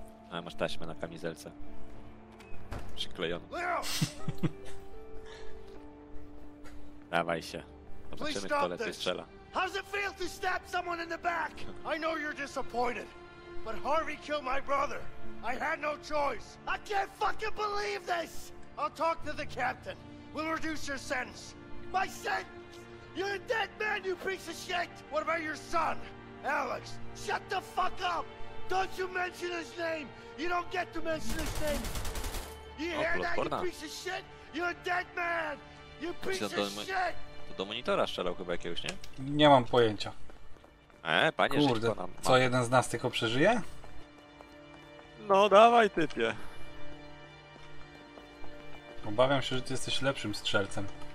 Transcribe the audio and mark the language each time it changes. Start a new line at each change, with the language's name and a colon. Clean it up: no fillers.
Polish: A masz taśmę na kamizelce. Przyklejoną. Dawaj się. Zobaczymy, kto lepiej strzela.
English: How does it feel to stab someone in the back? I know you're disappointed, but Harvey killed my brother. I had no choice. I can't fucking believe this. I'll talk to the captain. We'll reduce your sentence. My sentence. You're a dead man, you piece of shit. What about your son, Alex? Shut the fuck up. Don't you mention his name. You don't get to mention his name. You hear that, you piece of shit? You're a dead man. You piece of shit.
Polish: To do monitora strzelał chyba jakiegoś, nie? Nie mam pojęcia. Panie, kurde, rzeczko, no, co, jeden z nas tylko przeżyje? No, dawaj, typie. Obawiam się, że ty jesteś lepszym strzelcem.